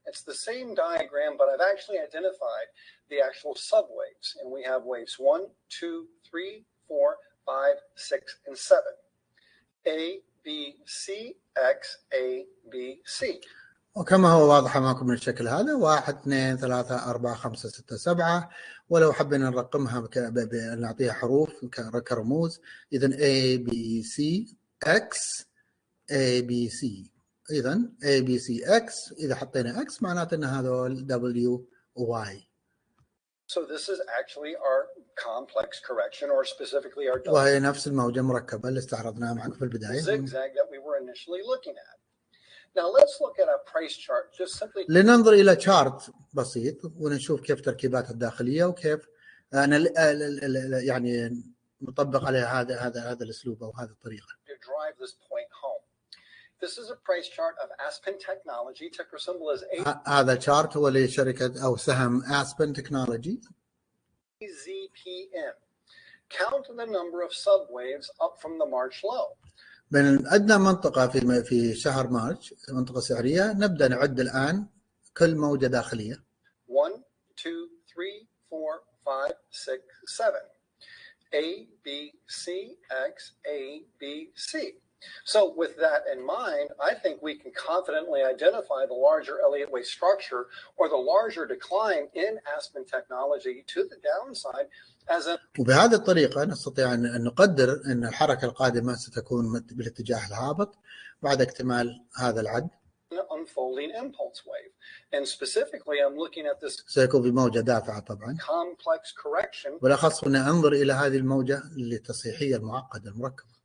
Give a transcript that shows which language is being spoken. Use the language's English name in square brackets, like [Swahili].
[English] It's the same diagram, but I've actually identified the actual subwaves, and we have waves 1, 2, 3, 4, 5, 6, and 7. A B C X A B C. [Arabic] وكما هو واضح معكم من الشكل هذا 1 2 3 4 5 6 7 ولو حبينا نرقمها نعطيها حروف كرموز إذن A B C X A B C إذن A B C X إذا حطينا X معناته أن هذا W Y. [English] So this is actually our complex correction, or specifically our. [Arabic] وهي نفس الموجة المركبة اللي استعرضناها معكم في البداية. [English] Zigzag that we were initially looking at. Now let's look at a price chart, just simply. [Arabic] لننظر إلى chart بسيط ونشوف كيف تركيباتها الداخلية وكيف أنا يعني مطبق عليها هذا الأسلوب أو هذه الطريقة. [English] To drive this point home. This is a price chart of Aspen Technology, ticker symbol is [Arabic] هذا chart هو لشركة أو سهم Aspen Technology. [English] AZPM. Count the number of subwaves up from the March low. [Arabic] من أدنى منطقة في شهر مارش منطقة سعرية نبدأ نعد الآن كل موجة داخلية. [English] 1 2 3 4 5 6 7 A B C X A B C. So with that in mind, I think we can confidently identify the larger Elliott wave structure or the larger decline in Aspen Technology to the downside as a. [Arabic] وبهذه الطريقة نستطيع أن نقدر أن الحركة القادمة ستكون بالاتجاه الهابط بعد اكتمال هذا العد. [English] Unfolding impulse wave, and specifically, I'm looking at this. [Arabic] سيكون في موجة دافعة طبعا. [English] Complex correction. [Arabic] بالأخص أن أنظر إلى هذه الموجة التصحيحية المعقدة المركبة.